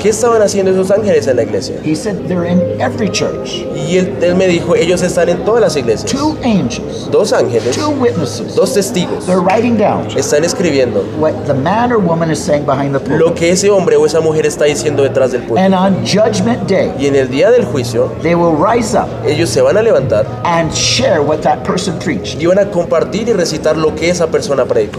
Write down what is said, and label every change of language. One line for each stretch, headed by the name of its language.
Spanish: ¿Qué estaban haciendo esos ángeles en la iglesia?
English: He said, they're in every church.
Spanish: Y él me dijo, ellos están en todas las iglesias.
English: Two angels.
Spanish: Dos ángeles.
English: Two witnesses.
Spanish: Dos testigos.
English: They're writing down.
Spanish: Están escribiendo.
English: What the man or woman is saying behind the pulpit.
Spanish: Lo que ese hombre o esa mujer está diciendo detrás del púlpito.
English: And on judgment day.
Spanish: Y en el día del juicio.
English: They will rise up.
Spanish: Ellos se van a levantar.
English: And share what that person preached.
Spanish: Y van a compartir y recitar lo que esa persona predicó.